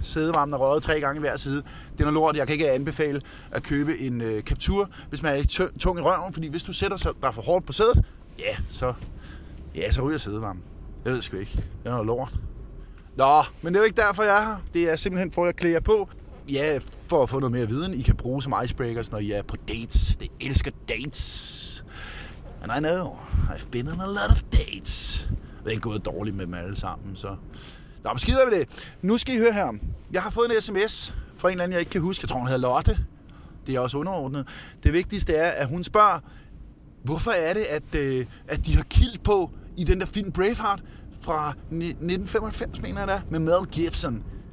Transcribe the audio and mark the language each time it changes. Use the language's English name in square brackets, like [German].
[Danish] Sædevarmen er røget 3 gange hver side. Det er noget lort. Jeg kan ikke anbefale at købe en Captur, hvis man er tung i røven. Fordi hvis du sætter sig der for hårdt på sædet, så ryger sædevarmen. Jeg ved sgu ikke. Det er noget lort. Nå, men det er jo ikke derfor, jeg er her. Det er simpelthen for at klæde jer på. Ja, for at få noget mere viden. I kan bruge som icebreakers, når I er på dates. Det elsker dates. [English] And I know, I've been on a lot of dates. [Danish] Det er ikke gået dårligt med dem alle sammen, så... Nå, men skider vi det. Nu skal I høre her. Jeg har fået en sms fra en eller anden, jeg ikke kan huske. Jeg tror, hun hedder Lotte. Det er også underordnet. Det vigtigste er, at hun spørger, hvorfor er det, at de har kilt på i den der film Braveheart fra 1995, mener jeg da, med Mel Gibson.